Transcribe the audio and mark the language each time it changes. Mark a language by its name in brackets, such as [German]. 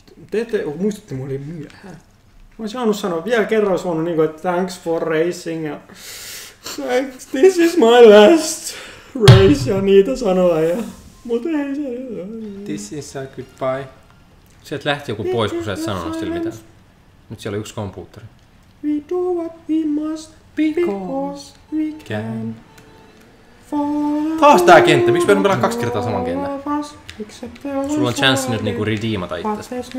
[Finnish] Te ette muistutti mulle myöhään. Mä olisin saanut sanoa vielä kerran, olisi voinut niin kuin, että [English] thanks for racing [Finnish] ja [English] thanks, this is my last race [Finnish] ja niitä sanoa ja mut ei se. [English] This is a goodbye. [Finnish] Sieltä lähti joku pois, kun sä et sanonut sille mitään. Nyt siellä on yksi kompuutteri. [English] We do what we must because we can. [Finnish] Taas tää kenttä, miksi me pelaa kaksi kertaa saman kentän? Sulla on chanssi nyt niinku redeemata itse.